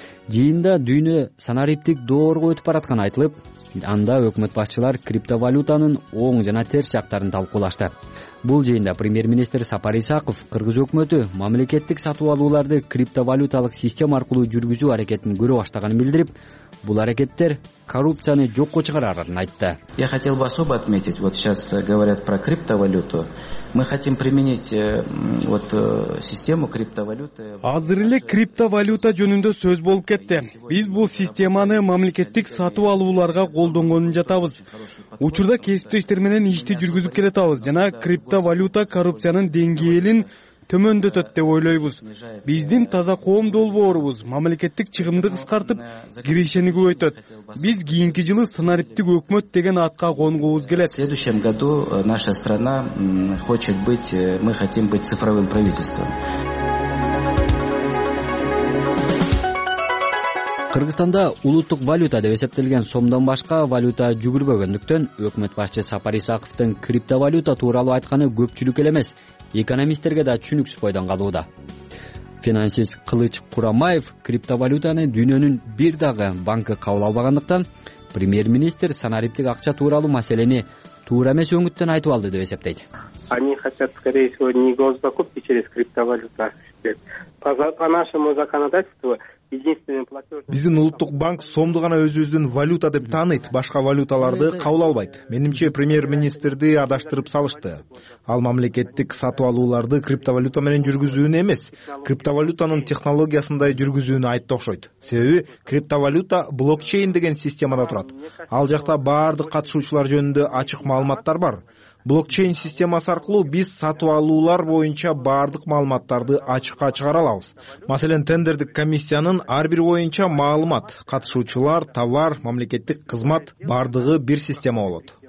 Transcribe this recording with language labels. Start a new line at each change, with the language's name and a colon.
Kyrgyz: Жыйында дүйнө санариптик доорго өтүп баратканы айтылып, анда өкмөт башчылары криптовалютанын оң жана терс жактарын талкуулашты. Бул жыйында премьер министр Сапар Исаков кыргыз өкмөтү мамлекеттик сатып алууларды криптовалюталык система аркылуу жүргүзүү аракетин көрө баштаганын билдирип, бул аракеттер коррупцияны жокко чыгарарын айтты.
Russian: Я хотел бы особо отметить, вот сейчас говорят про криптовалюту. Мы хотим применить вот систему криптовалюты.
Kyrgyz: Азыр эле криптовалюта жөнүндө сөз болуп кетти. Биз бул системаны мамлекеттик сатып алууларга колдонгонун жатабыз. Учурда кесиптештер менен ишти жүргүзүп келатабыз жана криптовалюта коррупциянын деңгээлин төмөндөтөт деп ойлойбуз. Биздин таза коом долбоорубуз мамлекеттик чыгымды кыскартып, кирешени көбөйтөт. Биз кийинки жылы санариптик өкмөт деген атка конгубуз келет.
Russian: В следующем году наша страна хочет быть, мы хотим быть цифровым правительством.
Kyrgyz: Кыргызстанда улуттук валюта деп эсептелген сомдон башка валюта жүгүрбөгөндүктөн өкмөт башчы Сапар Исаковдун криптовалюта тууралуу айтканы көпчүлүк эле эмес, экономисттерге да түшүнүксүз бойдон калууда. Финансист Кылыч Курамаев криптовалютаны дүйнөнүн бир дагы банкы кабыл албагандыктан премьер-министр санариптик акча тууралуу маселени туура эмес өңүттөн айтып алды деп эсептейт.
Russian: Они хотят, скорее всего, не госзакупки через криптовалюта. По нашему законодательству
Kyrgyz: биздин улуттук банк сомду гана өзүбүздүн валюта деп тааныйт, башка валюталарды кабыл албайт. Менимче премьер-министрди адаштырып салышты. Ал мамлекеттик сатып алууларды криптовалюта менен жүргүзүүнү эмес, криптовалютанын технологиясындай жүргүзүүнү айтты окшойт. Себеби криптовалюта блокчейн деген системада турат. Ал жакта баардык катышуучулар жөнүндө ачык маалыматтар бар. Блокчейн системасы аркылуу биз сатып алуулар боюнча баардык маалыматтарды ачыкка чыгара алабыз. Маселен, тендердик комиссиянын ар бири боюнча маалымат, катышуучулар, товар, мамлекеттик кызмат баардыгы бир система болот.